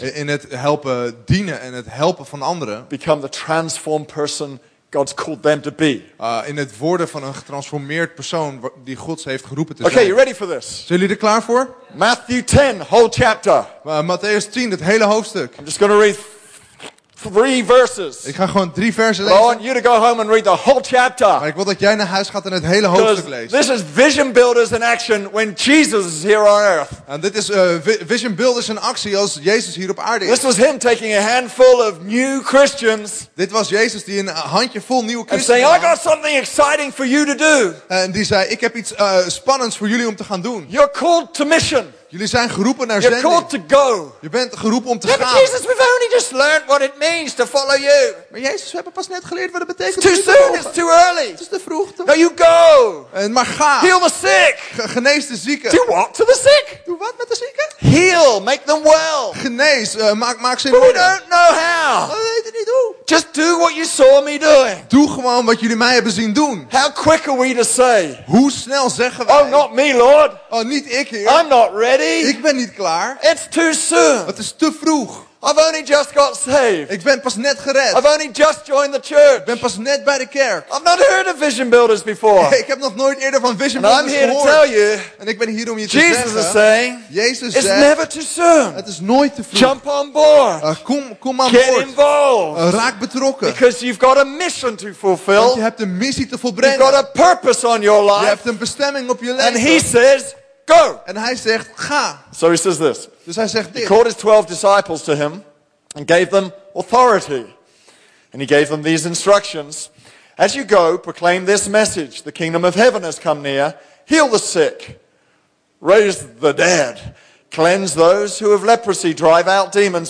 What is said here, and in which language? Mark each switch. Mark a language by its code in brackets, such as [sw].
[nl] In het helpen dienen en het helpen van anderen. [en] Become the transformed person God's called them to be. [nl] In het worden van een getransformeerd persoon die God heeft geroepen te zijn. [en] Okay, you ready for this? [nl] Zijn jullie er klaar voor? [en] Matthew 10, whole chapter. [nl] Matthäus 10, het hele hoofdstuk. [en] I'm just going to read 3 verses. [nl] Ik ga gewoon 3 versen lezen. [en] I want you to go home and read the whole chapter. [nl] Maar ik wil dat jij naar huis gaat en het hele hoofdstuk leest. [en] This is vision builders in action when Jesus is here on earth. [nl] En dit is vision builders in actie als Jezus hier op aarde is. [en] This was him taking a handful of new Christians. [nl] Dit was Jezus die een handje vol nieuwe christenen. [en] And saying, I got something exciting for you to do. [nl] En die zei, ik heb iets spannends voor jullie om te gaan doen. [en] You're called to mission. [nl] Jullie zijn geroepen naar [en] you're [nl] zending. [en] Called to go. [nl] Je bent geroepen om te [en] yeah, [nl] gaan. [en] Jesus, we've only just learned what it means to follow you. [nl] Maar Jezus, we hebben pas net geleerd wat het betekent. [en] It's too soon, it's too early. [nl] Het is te vroeg. [en] No, you go. [nl] En maar ga. [en] Heal the sick. [nl] Genees de zieken. [en] Do what to the sick? [nl] Doe wat met de zieken? [en] Heal, make them well. [nl] Genees, maak ze in orde. [en] We don't know how. [nl] We weten niet hoe. [en] Just do what you saw me doing. [nl] Doe gewoon wat jullie mij hebben zien doen. [en] How quick are we to say? [nl] Hoe snel zeggen wij? [en] Oh, not me, Lord. [nl] Oh, niet ik, Heer. [en] I'm not ready. [nl] Ik ben niet klaar. [en] It's too soon. [nl] Het is te vroeg. [en] I've only just got saved. [nl] Ik ben pas net gered. [en] I've only just joined the church. [nl] Ik ben pas net bij de kerk. [en] I've not heard of vision builders before. [nl] Ik heb nog nooit eerder van vision [en] and [nl] builders gehoord. [en] I'm here to tell you. [nl] En ik ben hier om je [en] Jesus [nl] te zeggen. [en] Is saying, [nl] Jezus [en] it's [nl] zegt. [en] It's never too soon. [nl] Het is nooit te vroeg. [en] Jump on board. [nl] Kom aan [en] get [nl] boord. [en] Get involved. [nl] Raak betrokken. [en] Because you've got a mission to fulfill. [nl] Want je hebt een missie te volbrengen. [en] You've got a purpose on your life. [nl] Je hebt een bestemming op je leven. [en] And he says. Go. [nl] En hij zegt ga. [en] So he says this. [nl] Dus hij zegt dit. [en] He called his 12 disciples to him and gave them authority. And he gave them these instructions. As you go, proclaim this message: the kingdom of heaven has come near. Heal the sick, raise the dead, cleanse those who have leprosy, drive out demons.